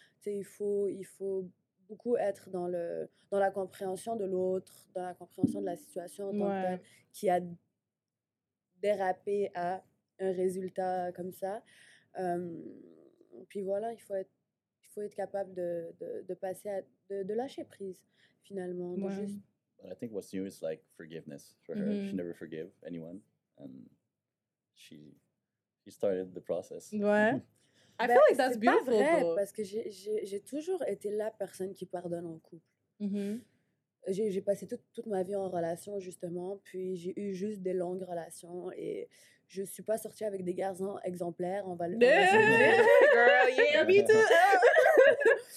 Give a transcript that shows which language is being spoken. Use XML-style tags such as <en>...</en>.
<fr>Tu sais, il faut beaucoup être dans la compréhension de l'autre, dans la compréhension de la situation en tant que telle, qui a déraper à un résultat comme ça. Puis voilà, il faut être capable de passer à de lâcher prise finalement. Ouais. Juste...</fr> <en>But I think what's new is like forgiveness for her. She never forgave anyone and she started the process. Ouais. I feel like that's beautiful.</en> <fr>C'est pas vrai</fr> <en>though.</en> <fr>Parce que j'ai toujours été la personne qui pardonne en couple. J'ai passé toute ma vie en relation, justement, puis j'ai eu juste des longues relations et je ne suis pas sortie avec des garçons exemplaires, on va le dire.</fr> <en>Girl, yeah, me too!</en>